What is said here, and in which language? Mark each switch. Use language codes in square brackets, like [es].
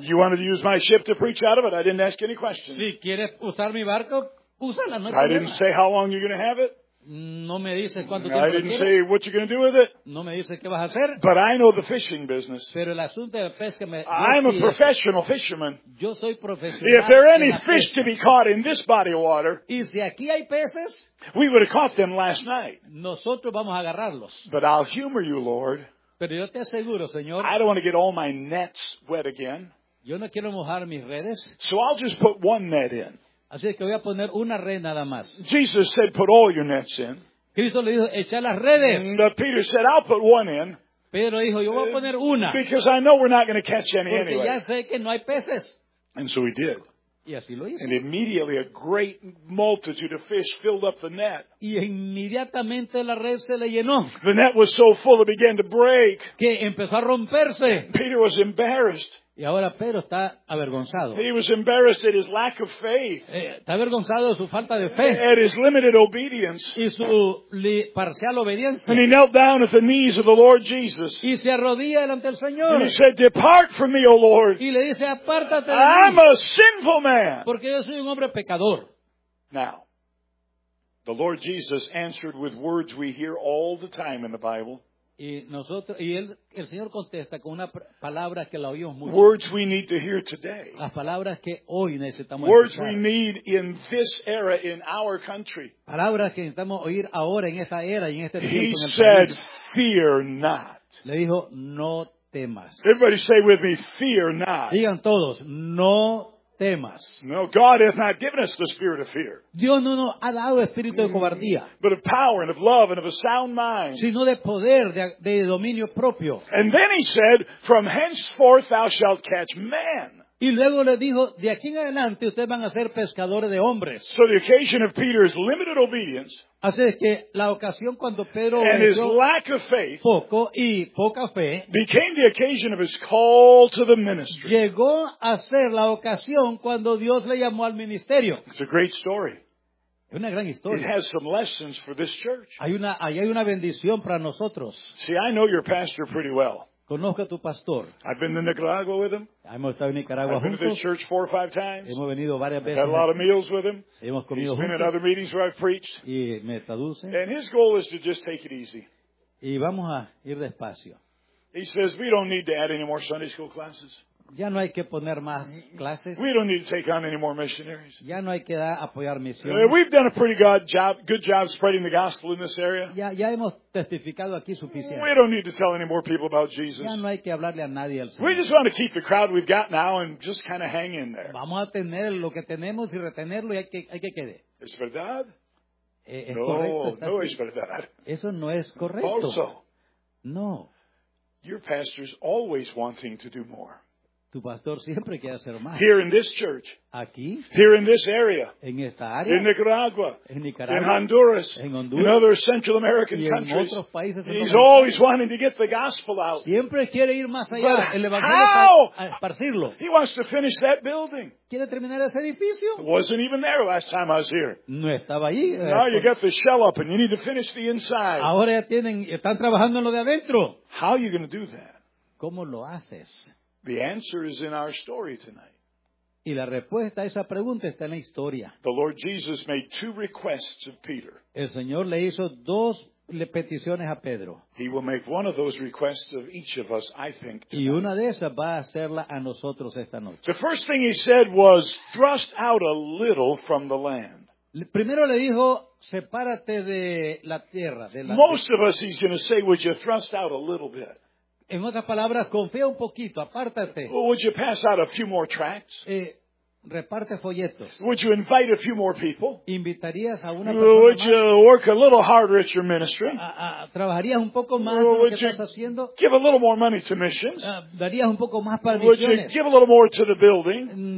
[en] You wanted to use my ship to preach out of it. I didn't ask any questions. [es] Si quieres usar mi barco, úsala. No, [en] I didn't say how long you're going to have it. [es] No me dice cuánto tiempo. [en] I didn't [es] quieres. [en] Say what you're going to do with it. [es] No me dice qué vas a hacer. [en] But I know the fishing business. [es] Pero el asunto de la pesca me. [en] I'm a professional fisherman. [es] Yo soy profesional. [en] If there are any fish to be caught in this body of water, [es] y si aquí hay peces, [en] we would have caught them last night. [es] Nosotros vamos a agarrarlos. [en] But I'll humor you, Lord. [es] Pero yo te aseguro, Señor, [en] I don't want to get all my nets wet again. [es] Yo no quiero mojar mis redes. [en] So I'll just put one net in. [es] Así es que voy a poner una red nada más. [en] Jesus said, put all your nets in. [es] Cristo le dijo, echa las redes. [en] But Peter said, I'll put one in. [es] Pedro dijo, yo voy a poner una. [en] Because I know we're not going to catch any [es] porque [en] anyway. [es] Ya sé que no hay peces. [en] And so he did. [es] Y así lo hizo. [en] And immediately a great multitude of fish filled up the net. [es] Y inmediatamente la red se le llenó. [en] The net was so full it began to break. [es] Que empezó a romperse. [en] Peter was embarrassed. [es] Y ahora Pedro está avergonzado. [en] He was embarrassed at his lack of faith. [es] Está avergonzado de su falta de fe. [en] At his limited obedience. [es] Y su parcial obediencia. [en] And he knelt down at the knees of the Lord Jesus. [es] Y se arrodilla delante del Señor. [en] And he said, depart from me, O Lord. [es] Y le dice, apártate de mí. [en] I'm a sinful man. [es] Porque yo soy un hombre pecador. [en] Now, the Lord Jesus answered with words we hear all the time in the Bible. [es] Y nosotros, y el Señor contesta con una palabra que la oímos mucho. [en] Words we need to hear today. [es] Las palabras que hoy necesitamos [en] words [es] escuchar. [en] We need in this era in our country. [es] Palabras que necesitamos oír ahora en esta era y en este tiempo. [en] He [es] en el [en] said, [es] país. [en] Fear not. [es] Le dijo, no temas. [en] Everybody say with me, fear not. [es] Digan todos, no temas. [en] No, God has not given us the spirit of fear. [es] Dios no nos ha dado espíritu de cobardía. [en] But of power and of love and of a sound mind. [es] Sino de poder, de dominio propio. [en] And then he said, from henceforth thou shalt catch men. [es] Y luego le dijo, de aquí en adelante ustedes van a ser pescadores de hombres. [en] So the occasion of Peter's limited obedience. [es] Así es que la ocasión cuando Pedro [en] and his lack of faith [es] poco y poca fe [en] became the occasion of his call to the ministry. [es] Llegó a ser la ocasión cuando Dios le llamó al ministerio. [en] It's a great story. [es] Es una gran historia. [en] It has some lessons for this church. [es] Hay una bendición para nosotros. [en] See, I know your pastor pretty well. [es] Conozco a tu pastor. [en] I've been to Nicaragua with him. [es] Hemos estado en Nicaragua juntos. [en] I've been to the church four or five times. [es] Hemos venido varias veces. [en] Had a lot of meals with him. [es] Hemos comido [en] He's Been at other meetings where I've preached. [es] Y me traduce. [en] And his goal is to just take it easy. [es] Y vamos a ir despacio. [en] He says we don't need to add any more Sunday school classes. [es] Ya no hay que poner más clases. [en] We don't need to take on any more missionaries. [es] Ya no hay que apoyar misiones. [en] We've done a pretty good job spreading the gospel in this area. [es] Ya hemos testificado aquí suficiente. [en] We don't need to tell any more people about Jesus. [es] Ya no hay que hablarle a nadie al Señor. [en] We just want to keep the crowd we've got now and just kind of hang in there. [es] Vamos a tener lo que tenemos y retenerlo y hay que quede. ¿Es verdad? ¿Es no, correcto, no es verdad. Eso no es correcto. [en] Also, [es] no. [en] Your pastor's always wanting to do more. [es] Tu pastor siempre quiere hacer más. [en] Here in this church. [es] Aquí. [en] Here in this area. [es] En esta área. [en] In Nicaragua. [es] En Nicaragua. [en] In Honduras. [es] En Honduras. [en] In other Central American countries. [es] Y en otros países. [en] He's always wanting to get the gospel out. [es] Siempre quiere ir más allá. [en] But [es] el evangelio a esparcirlo. [en] He wants to finish that building. [es] ¿Quiere terminar ese edificio? [en] It wasn't even there last time I was here. [es] No estaba ahí. [en] Now you got the shell up and you need to finish the inside. [es] Ahora ya tienen, están trabajando en lo de adentro. [en] How are you going to do that? [es] ¿Cómo lo haces? [en] The answer is in our story tonight. [es] Y la respuesta a esa pregunta está en la historia. [en] The Lord Jesus made two requests of Peter. [es] El Señor le hizo dos peticiones a Pedro. [en] He will make one of those requests of each of us, I think, tonight. [es] Y una de esas va a hacerla a nosotros esta noche. [en] The first thing he said was, thrust out a little from the land. [es] Primero le dijo, sepárate de la tierra. De la [en] Most [es] tierra. [en] Of us, he's going to say, would you thrust out a little bit? [es] En otras palabras, confía un poquito, apártate. [en] Would you pass out a few more tracts? [es] Reparte folletos. [en] Would you invite a few more people? [es] ¿Invitarías a una persona [en] would [es] más? [en] You work a little harder at your ministry? [es] ¿Trabajarías un poco más en lo que estás haciendo? [en] Give a little more money to missions? [es] ¿Darías un poco más para [en] would [es] misiones? [en] You give a little more to the building?